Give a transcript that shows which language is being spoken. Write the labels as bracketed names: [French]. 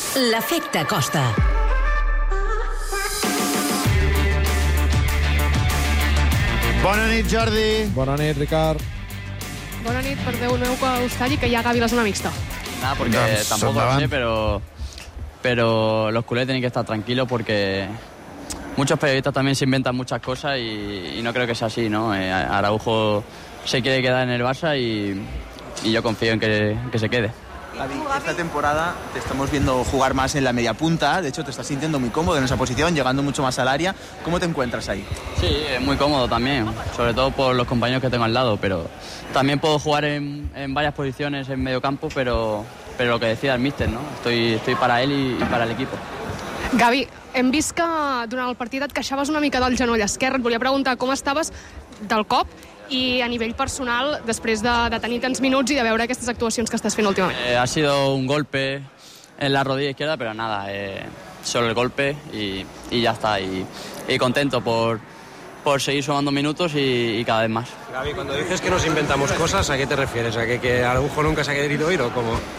[Catalan] L'efecte Costa. Bona nit, Jordi. Bona nit, Ricard. Bona nit, perdeu-me que us talli, que ja acabi la zona mixta. Nah, perquè doncs, tampoc ho sé, però... [Spanish] pero los culés tienen que estar tranquilos porque muchos periodistas también se inventan muchas cosas y no creo que sea así, ¿no? Araujo se quiere quedar en el Barça y yo confío en que se quede. Esta temporada te estamos viendo jugar más en la media punta, de hecho te estás sintiendo muy cómodo en esa posición, llegando mucho más al área. ¿Cómo te encuentras ahí? Sí, es muy cómodo también, sobre todo por los compañeros que tengo al lado, pero también puedo jugar en varias posiciones en medio campo, pero lo que decía el míster, ¿no? Estoy para él y para el equipo. [Catalan] Gavi, hem vist que durant el partit et queixaves una mica del genoll esquerre. Et volia preguntar com estaves del cop i a nivell personal després de tenir tants minuts i de veure aquestes actuacions que estàs fent últimament. [Spanish] Ha sido un golpe en la rodilla izquierda, pero nada, solo el golpe y ya está. Y contento por seguir sumando minutos y cada vez más. Gavi, cuando dices que nos inventamos cosas, ¿a qué te refieres? ¿A que Araujo nunca se ha querido ir o cómo?